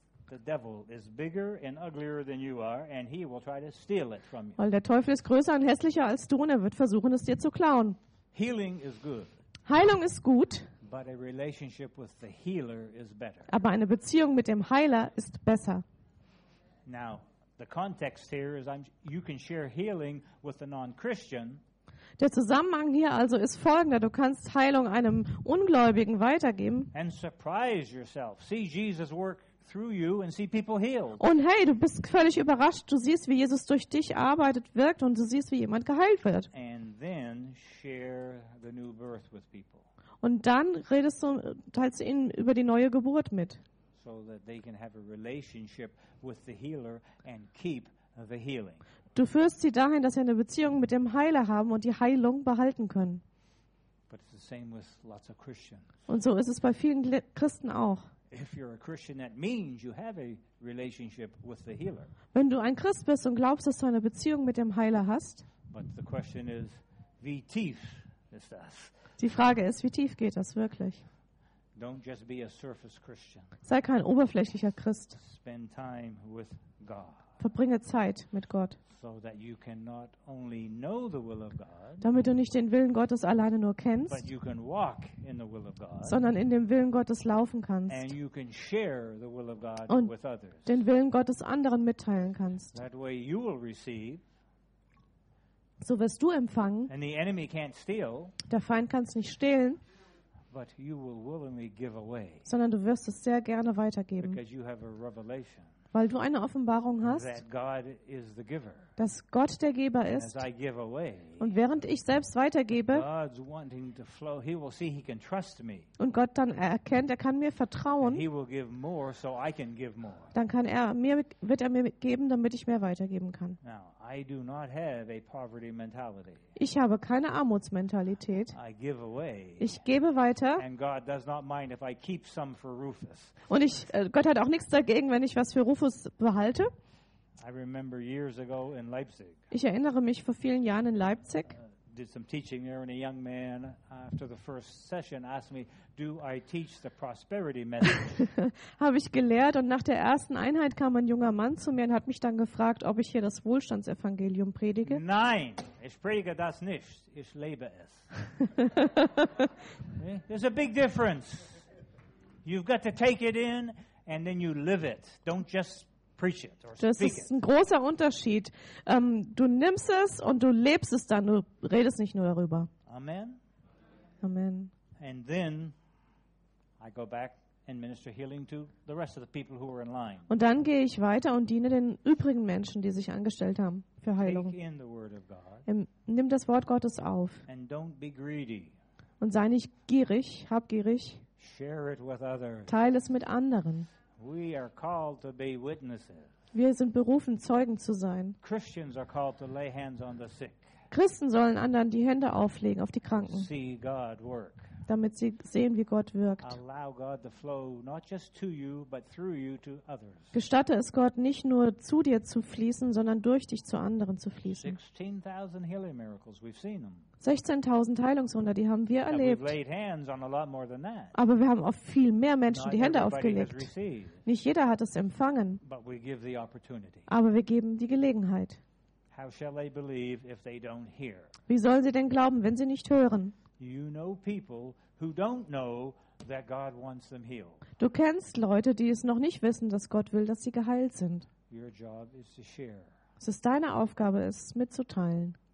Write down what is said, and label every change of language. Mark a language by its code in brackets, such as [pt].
[en] The devil is bigger and uglier than you are, and he will try to steal it from you. [de] Weil der Teufel ist größer und hässlicher als du, und er wird versuchen, es dir zu klauen. [en] Healing is good. [de] Heilung ist gut. [en] But a relationship with the healer is better. [de] Aber eine Beziehung mit dem Heiler ist besser. [en] Now, the context here is you can share healing with a non-Christian. [de] Der Zusammenhang hier also ist folgender: Du kannst Heilung einem Ungläubigen weitergeben. [en] And surprise yourself. See Jesus work. Through you and see people healed. [de] Und hey, du bist völlig überrascht. Du siehst, wie Jesus durch dich arbeitet, wirkt und du siehst, wie jemand geheilt wird. [en] And then share the new birth with people. [de] Und dann teilst du ihnen über die neue Geburt mit. [en] So that they can have a relationship with the healer and keep the healing. [de] Du führst sie dahin, dass sie eine Beziehung mit dem Heiler haben und die Heilung behalten können. [en] But it's the same with lots of Christians. [de] Und so ist es bei vielen Christen auch. [en] If you're a Christian, that means you have a relationship with the healer. [de] Wenn du ein Christ bist und glaubst, dass du eine Beziehung mit dem Heiler hast. [en] But the question is, [de] wie tief ist das? Die Frage ist, wie tief geht das wirklich? [en] Don't just be a surface Christian. [de] Sei kein oberflächlicher Christ. [en] Spend time with God. [de] Verbringe Zeit mit Gott. [en] So that you can not only know the will of God. [de] Damit du nicht den Willen Gottes alleine nur kennst, [en] but you can walk in the will of God. [de] Sondern in dem Willen Gottes laufen kannst. [en] And you can share the will of God [de] und [en] with others. [de] Den Willen Gottes anderen mitteilen kannst. [en] That way you will receive. [de] So wirst du empfangen. [en] And the enemy can't steal. [de] Der Feind kann es nicht stehlen. [en] But you will willingly give away. [de] Sondern du wirst es sehr gerne weitergeben. [en] Because you have a revelation. [de] Weil du eine Offenbarung hast, [en] that God is the giver. [de] Dass Gott der Geber ist. [en] And as I give away, [de] und während ich selbst weitergebe, [en] God's wanting to flow, he will see he can trust me. [de] Und Gott dann erkennt, er kann mir vertrauen, [en] he will give more, so I can give more. [de] Dann kann er mir, wird er mir geben, damit ich mehr weitergeben kann. [en] Now, I do not have a poverty mentality. [de] Ich habe keine Armutsmentalität. [en] I give away, [de] ich gebe weiter. [en] And God does not mind if I keep some for Rufus. [de] Und Gott hat auch nichts dagegen, wenn ich was für Rufus behalte. [en] I remember years ago in Leipzig. [de] Ich erinnere mich vor vielen Jahren in Leipzig. [en] Did some teaching there, and a young man after the first session asked me, "Do I teach the prosperity message?" [de] Habe ich gelehrt, und nach der ersten Einheit kam ein junger Mann zu mir und hat mich dann gefragt, ob ich hier das Wohlstandsevangelium predige. Nein, ich predige das nicht. Ich lebe es. [en] There's a big difference. You've got to take it in, and then you live it. Don't just preach it or [de] das [en] speak [de] ist ein großer Unterschied. Du nimmst es und du lebst es dann, du redest nicht nur darüber. Amen. Amen. [en] And then I go back and minister healing to the rest of the people who are in line. [de] Und dann gehe ich weiter und diene den übrigen Menschen, die sich angestellt haben für Heilung. [en] Take in the word of God. [de] Nimm das Wort Gottes auf. [en] And don't be greedy. [de] Und sei nicht gierig, habgierig. [en] Share it with others. [de] Teil es mit anderen. [en] We are called to be witnesses. [de] Wir sind berufen, Zeugen zu sein. [en] Christians are called to lay hands on the sick. [de] Christen sollen anderen die Hände auflegen auf die Kranken. [en] See God work. [de] Damit sie sehen, wie Gott wirkt. [en] Allow God to flow not just to you, but through you to others. [de] Gestatte es Gott, nicht nur zu dir zu fließen, sondern durch dich zu anderen zu fließen. [en] 16,000 healing miracles, we've seen them. [de] 16,000 Heilungswunder, die haben wir erlebt. [en] We've laid hands on a lot more than that. [de] Aber wir haben auf viel mehr Menschen die Hände aufgelegt. Nicht jeder hat es empfangen. [en] But we give the opportunity. [de] Aber wir geben die Gelegenheit. [en] How shall they believe if they don't hear? [de] Wie sollen sie denn glauben, wenn sie nicht hören? [en] You know people who don't know that God wants them healed. [de] Du kennst Leute, die es noch nicht wissen, dass Gott will, dass sie geheilt sind. [en] Your job is to share. [de] Es ist deine Aufgabe, es mitzuteilen.